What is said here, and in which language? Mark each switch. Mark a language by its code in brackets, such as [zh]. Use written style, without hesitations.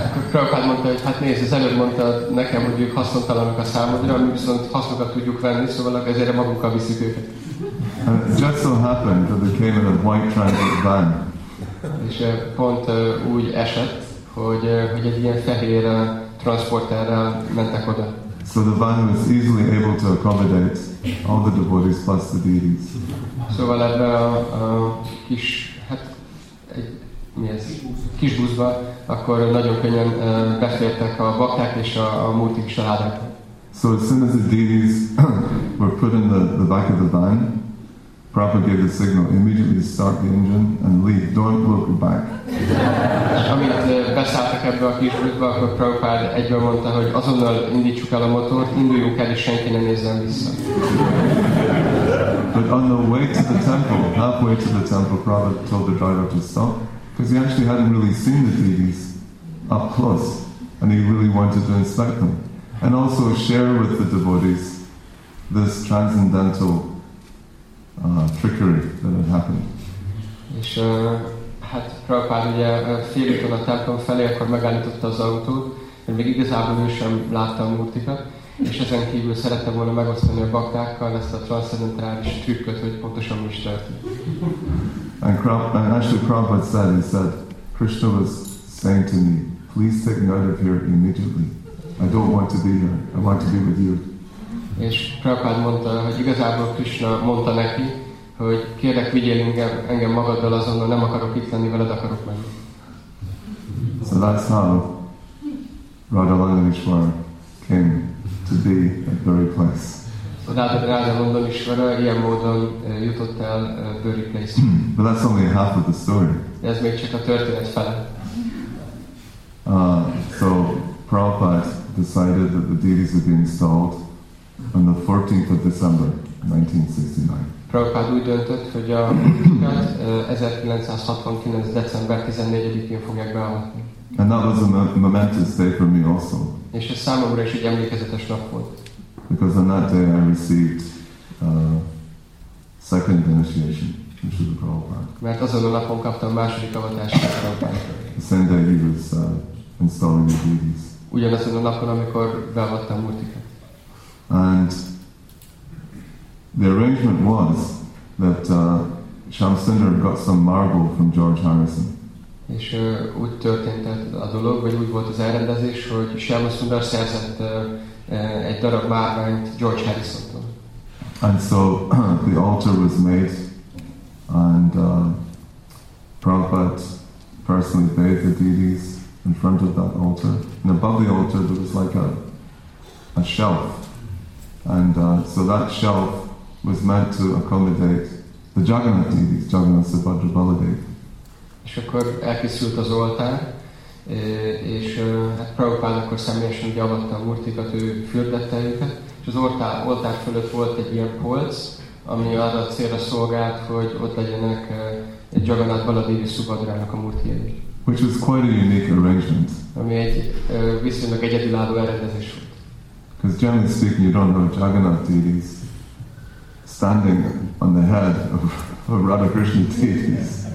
[hu] Prabhupada mondta, hogy hát nézd, az előbb mondta nekem, hogy ők hasznotalanok a számodra, mi viszont hasznokat tudjuk venni, szóval ezért magunkkal viszik őket. [en] And it just so happened that they came in a white transit van. [hu] És pont úgy esett, hogy egy ilyen fehér transporterrel mentek oda. [en] So the van was easily able to accommodate all the devotees plus the deities. [hu] Szóval ebben a kis, hát, mi ez? Kis buszba, akkor nagyon könnyen befértek a bakták és a múltik családok. [en] So as soon as the deities were put in the back of the van, Prabhupada gave the signal, immediately start the engine and leave, don't look back. [hu] Amint beszálltak ebbe a kis buszba, akkor Prabhupada egyből mondta, hogy azonnal indítsuk el a motort, induljunk el, és senki ne nézzen vissza. [en] But on the way to the temple, halfway to the temple, Prabhupada told the driver to stop, because he actually hadn't really seen the deities up close, and he really wanted to inspect them, and also share with the devotees this transcendental trickery that had happened. [hu] És hát Prabhupada ugye félúton a templom felé, akkor megállította az autót, mert még igazából ő sem látta a murtikat, és ezen kívül szerette volna megosztani a baktákkal ezt a transzendentális trükköt, hogy pontosan mi is történt. [en] And actually Prabhupada said, he said, Krishna was saying to me, please take me out of here immediately. I don't want to be here. I want to be with you. [hu] És Prabhupada mondta, hogy igazából Krishna mondta neki, hogy kérlek, vigyél engem magaddal azonnal, nem akarok itt lenni, veled akarok menni. [en] So that's how Radha-Langanishwara came to be at Buri Place. [hu] So Radha-Langanishwara ilyen módon jutott el Buri Place. [en] But that's only half of the story. [hu] Ez még csak a történet fele. [en] So Prabhupada decided that the deities would be installed on the 14th of December, 1969. [hu] Prabhupád úgy döntött, hogy a 1969. december 14-én fogják beavatni. [en] And that was a momentous day for me also. [hu] És ez számomra is egy emlékezetes nap volt. [en] Because on that day I received second initiation from Srila Prabhupada. [hu] Mert azon a napon kaptam második avatást a Prabhupádtól. [en] Same day he was installing the duties. [hu] Ugyanazon a napon, amikor beavattam multikát. [en] And the arrangement was that Shamsundar got some marble from George Harrison. [hu] És úgy történt a dolog, vagy úgy volt az elrendezés, hogy Shamsundar szerzett egy darab márványt George Harrisontól. [en] And so the altar was made, and Prabhupada personally bathed the deities in front of that altar. And above the altar there was like a shelf. And so that shelf was meant to accommodate the Jagannath deities, Jagannath Subhadra Baladev. [hu] És akkor elkészült az oltár, és hát Prabhupád akkor személyesen javatta a murtikat, ő fürdette őket, és az oltár fölött volt egy ilyen polc, ami arra a célra szolgált, hogy ott legyenek egy Jagannath Baladevi Subhadrának a murtijai. [en] Which was quite a unique arrangement. [hu] Ami egy viszonylag egyedülálló elrendezés volt. [en] Because generally speaking, you don't know Jagannath deities standing on the head of Radha Krishna deities.